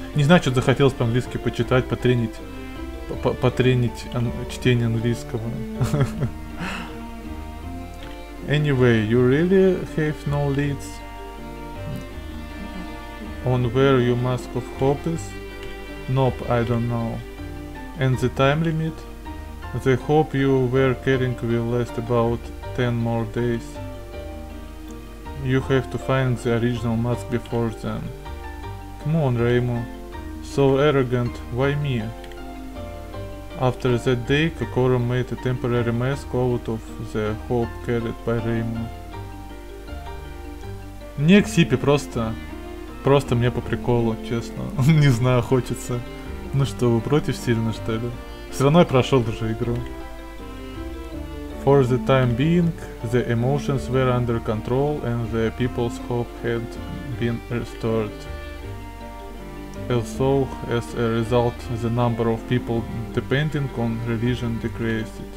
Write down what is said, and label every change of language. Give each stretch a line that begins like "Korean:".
Russian: Не знаю, что захотелось по-английски почитать, потренить чтение английского.
English: Anyway, you really have no leads on where your mask of hope is? Nope, I don't know. And the time limit? The hope you were carrying will last about 10 more days. You have to find the original mask before then. Come on, Reimu. So arrogant, why me? After that day, Kokoro made a temporary mask out of the hope carried by Reimu.
Russian: Не к Сипи, просто. Просто мне по приколу, честно. Не знаю, хочется. Ну что, вы против сильно, что ли? Все равно я прошел уже игру.
English: For the time being, the emotions were under control and the people's hope had been restored. Also, as a result, the number of people depending on religion decreased.